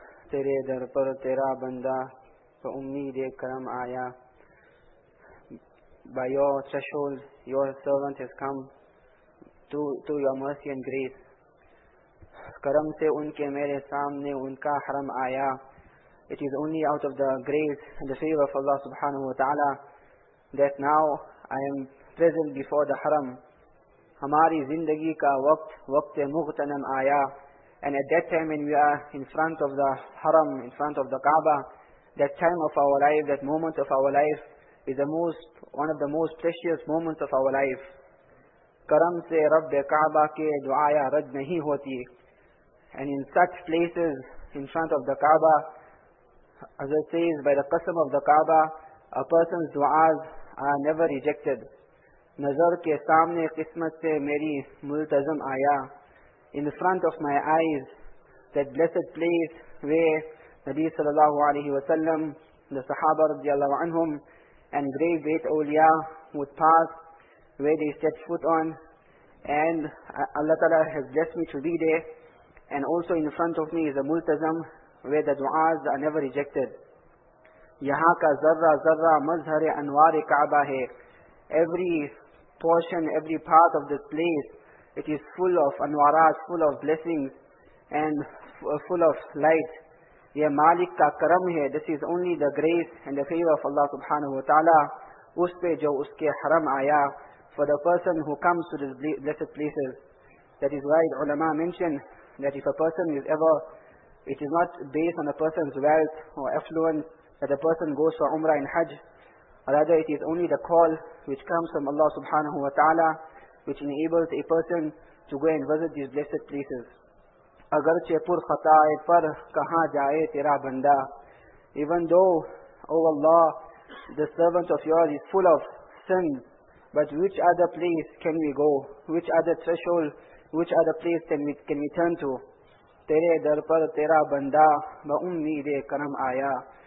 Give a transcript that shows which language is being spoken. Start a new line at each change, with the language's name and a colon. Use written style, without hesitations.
Urdu: تیرے در پر تیرا بندہ بہ امید کرم آیا،
English: by your threshold your servant has come to your mercy and grace.
Urdu: کرم سے ان کے میرے سامنے ان کا حرم آیا.
English: It is only out of the grace and the favor of Allah subhanahu wa ta'ala that now I am present before the haram.
Urdu: ہماری زندگی کا وقت وقت مغتنم آیا.
English: And at that time when we are in front of the haram, in front of the Kaaba, that time of our life, that moment of our life is the most, one of the most precious moments of our life.
Urdu: کرم سے رب کعبہ کے دعایا رد نہیں ہوتی.
English: And in such places, in front of the Kaaba, as it says, by the qasam of the Kaaba, a person's du'as are never rejected.
Urdu: Nazar ke saamne qismat se meri multazam aya.
English: In front of my eyes, that blessed place where Nabi sallallahu alayhi wa sallam, the Sahaba radiallahu anhum, and great great awliya would pass, where they set foot on, and Allah ta'ala has blessed me to be there. And also in front of me is a multazam where the du'as are never rejected.
Urdu: یہاں کا ذرہ ذرہ مظہر انوار کعبہ ہے.
English: Every portion, every part of this place, it is full of anwarat, full of blessings and full of light.
Urdu: یہ مالک کا کرم ہے.
English: This is only the grace and the favor of Allah subhanahu wa ta'ala
Urdu: اس پہ جو اس کے حرم آیا.
English: For the person who comes to this blessed places, that is why the ulama mention that if a person is ever, it is not based on a person's wealth or affluence that a person goes for Umrah and Hajj. Rather, it is only the call which comes from Allah subhanahu wa ta'ala which enables a person to go and visit these blessed places.
Urdu: اگرچہ پر خطائے پر کہاں جائے تیرا بندہ.
English: Even though, O Allah, the servant of yours is full of sins, but which other place can we go? Which other threshold? Which other place can we turn to?
Urdu: تیرے در پر تیرا بندہ بہ امید کرم آیا.